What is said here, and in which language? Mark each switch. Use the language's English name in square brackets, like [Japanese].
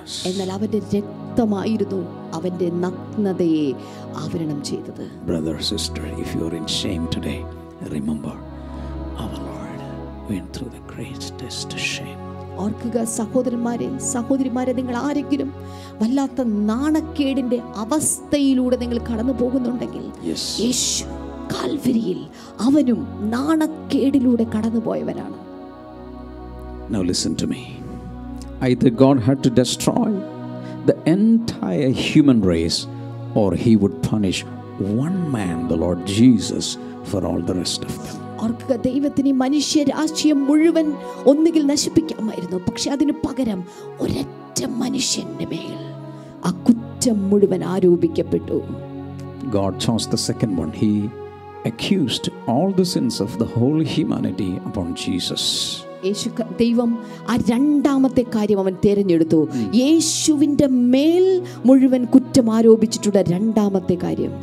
[Malayalam] എന്നാൽ അവന്റെ രക്തമായിരുന്നു അവന്റെ നഗ്നതയെ ആവരണം ചെയ്തത്. [English] Brother, sister, if you are in shame today, remember our Lord went through the greatest shame. [Malayalam] ഓർക്കുക, സഹോദരിമാരെ, നിങ്ങൾ ആരെങ്കിലും വല്ലാത്ത നാണക്കേടിന്റെ അവസ്ഥയിലൂടെ നിങ്ങൾ കടന്നു പോകുന്നുണ്ടെങ്കിൽ യേശു കാൽവരിയിൽ അവനും നാണക്കേടിലൂടെ കടന്നുപോയവനാണ്. [English] Now listen to me. Either God had to destroy the entire human race or he would punish one man, the Lord Jesus, for all the rest of them. [Malayalam] ഓർക്കുക, ദൈവത്തിനെ മനുഷ്യരാശിയം മുഴുവൻ ഒന്നുകിൽ നശിപ്പിക്കാമായിരുന്നു, പക്ഷേ അതിന് പകരം ഒരൊറ്റ മനുഷ്യന്റെ മേൽ ആ കുറ്റം മുഴുവൻ ആരോപിക്കപ്പെട്ടു. [English] God chose the second one. He accused all the sins of the whole humanity upon Jesus. [Malayalam] യേശു ദൈവം ആ രണ്ടാമത്തെ കാര്യം അവൻ തിരഞ്ഞെടുത്തു. യേശുവിന്റെ മേൽ മുഴുവൻ കുറ്റം ആരോപിച്ചിട്ടുള്ള രണ്ടാമത്തെ കാര്യം.